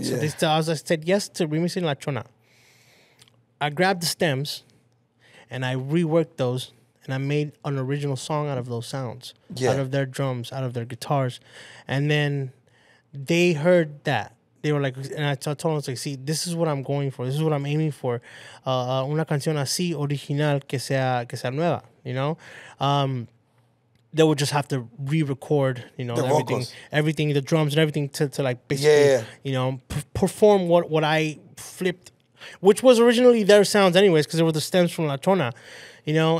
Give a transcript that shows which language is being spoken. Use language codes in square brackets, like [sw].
[en] Yeah. So I said yes to remixing La Chona. I grabbed the stems, and I reworked those, and I made an original song out of those sounds, out of their drums, out of their guitars. And then they heard that. they were like, and I told them, I was like, see, this is what I'm going for. This is what I'm aiming for. [es] Una canción así, original, que sea nueva, [en] you know? They would just have to re-record, you know, everything, the drums and everything to like basically, you know, perform what I flipped, which was originally their sounds anyways, because they were the stems from La Chona, you know?